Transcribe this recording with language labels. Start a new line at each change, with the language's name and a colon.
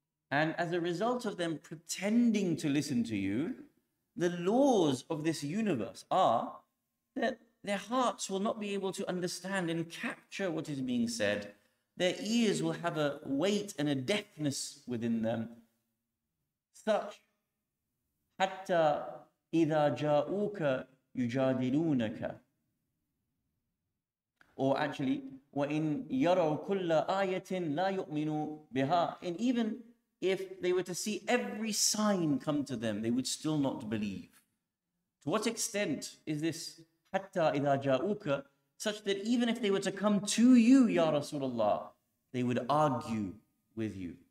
English: And as a result of them pretending to listen to you, the laws of this universe are that their hearts will not be able to understand and capture what is being said. Their ears will have a weight and a deafness within them. Such,
Arabic: hatta إِذَا جَاءُوكَ يُجَادِلُونَكَ.
English: Or actually,
Arabic: وَإِنْ يَرَوْ كُلَّ آيَةٍ لَا يُؤْمِنُوا بِهَا.
English: And even if they were to see every sign come to them, they would still not believe. To what extent is this
Arabic: hatta idha ja'uka,
English: such that even if they were to come to you, Ya Rasulullah, they would argue with you?